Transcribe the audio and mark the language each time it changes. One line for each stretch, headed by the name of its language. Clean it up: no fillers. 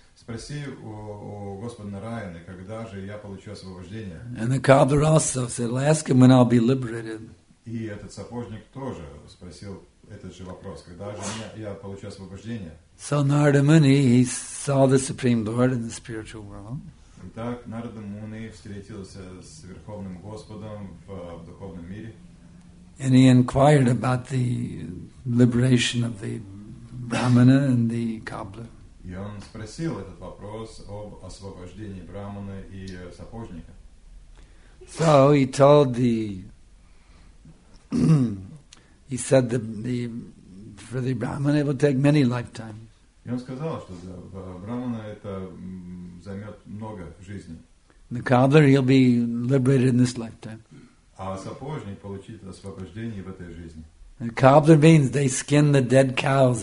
Russian: Спроси у Господа Нараяны, когда же я получу освобождение.
English: And the cobbler also said, well, ask him when I'll be liberated.
Russian: И этот сапожник тоже спросил этот же вопрос, когда же я получу освобождение.
English: So Narada Muni, he saw the Supreme Lord in the spiritual world.
Russian: Итак, Нарада Муни встретился с Верховным Господом в духовном мире.
English: And he inquired about the liberation of the Brahmana and the cobbler.
Russian: И он спросил этот вопрос об освобождении брахмана и сапожника.
English: So he told the he said that the for the brahmana it will take many lifetimes.
Russian: И он сказал, что для брахмана это займет много жизней.
English: The cobbler he'll be liberated in this lifetime.
Russian: А сапожник получит освобождение в этой жизни.
English: The cobbler means they skin the dead cows.